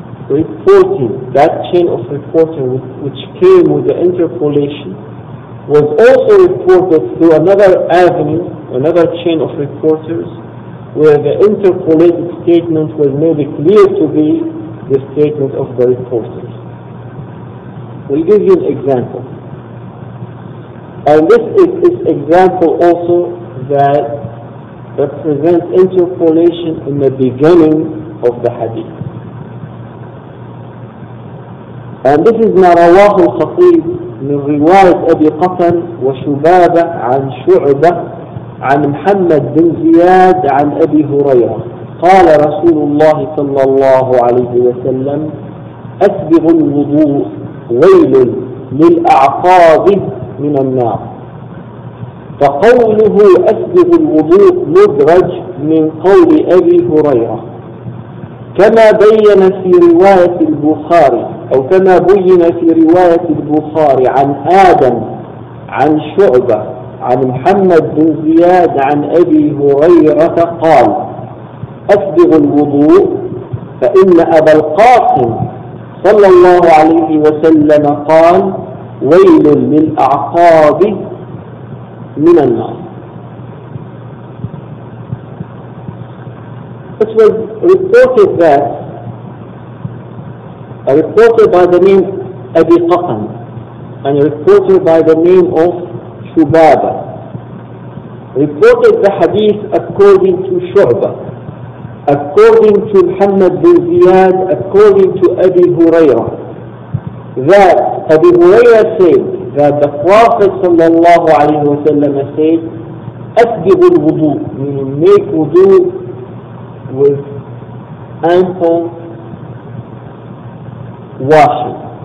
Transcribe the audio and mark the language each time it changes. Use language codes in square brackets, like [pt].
[en] reporting, that chain of reporting which came with the interpolation, was also reported through another avenue, another chain of reporters, where the interpolated statement was made clear to be the statement of the reporters. We'll give you an example. And this is this example also that represents interpolation in the beginning of the hadith. And this is [ar] مَا رَوَاهُ الْخَطِيبُ مِنْ رِوَايَةِ أَبِي قَتَنْ وَشُبَابَةَ عَنْ شُعْبَةَ عَنْ مُحَمَّدٍ بِنْ زِيَادٍ عَنْ أَبِي هُرَيْرَةَ قَالَ رَسُولُ اللَّهِ صَلَّى اللَّهُ عَلَيْهِ وَسَلَّمْ أَسْبِغُ الْوُضُوءُ وَيْلٌ لِلْأَعْقَابِهِ مِنَ النَّارِ فَقَوْلُهُ أَسْبِغُ الْوُضُوءُ مُدْرَجْ مِنْ قَوْلِ أَبِي هُرَيْرَةَ كما بين في رواية البخاري أو كما بين في رواية البخاري عن آدم عن شعبة عن محمد بن زياد عن أبي هريرة قال أسبغ الوضوء فإن أبا القاسم صلى الله عليه وسلم قال ويل من أعقابه من النار. [en] It was reported that, reported by the name Abi Qatan, and reported by the name of Shubaba. Reported the hadith according to Shu'bah, according to Muhammad bin Ziyad, according to Abi Hurairah, that Abi Hurairah said that the Prophet sallallahu alayhi wa sallam said, [ar] أَسْجِبُ الْوُضُوء, [en] meaning make wudu with ample washing.